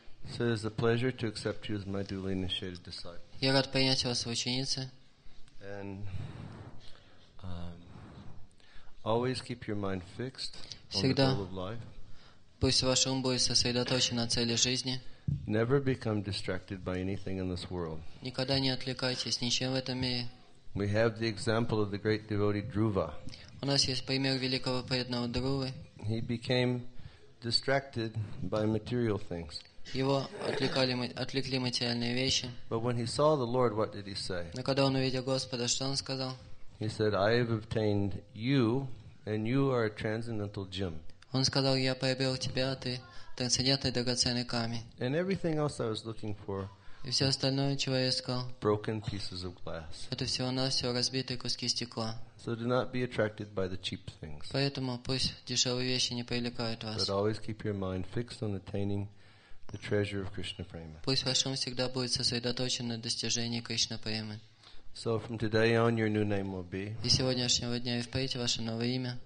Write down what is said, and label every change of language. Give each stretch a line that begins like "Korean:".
English: So it is a pleasure to accept you as my duly initiated disciple.
Russian: Я рад принять вас в ученицы.
English: And always keep your mind fixed
Russian: Всегда.
English: On the goal of life.
Russian: Пусть ваш ум будет сосредоточен на цели жизни.
English: Never become distracted by anything in this world.
Russian: Никогда не отвлекайтесь ничем в этом мире.
English: We have the example of the great devotee Dhruva.
Russian: У нас есть пример великого преданного Друвы.
English: He became distracted by material things.
Russian: Его отвлекли материальные вещи.
English: But when he saw the Lord, what did he say?
Russian: Но когда он увидел Господа, что он сказал?
English: He said, "I have obtained you, and you are a transcendental gem."
Russian: Он сказал, я приобрел тебя, ты трансцендентный драгоценный камень.
English: And everything else I was looking for,
Russian: и все остальное, чего я искал,
English: broken pieces of glass.
Russian: Это всего-навсего разбитые куски стекла.
English: So do not be attracted by the cheap things.
Russian: Поэтому пусть дешевые вещи не привлекают вас.
English: But always keep your mind fixed on attaining the treasure of Krishna Prema.
Russian: Пусть ваш ум всегда будет сосредоточен на достижении Кришна Премы.
English: So from today on, your new name will be.
Russian: И сегодняшнего дня и впредь ваше новое имя.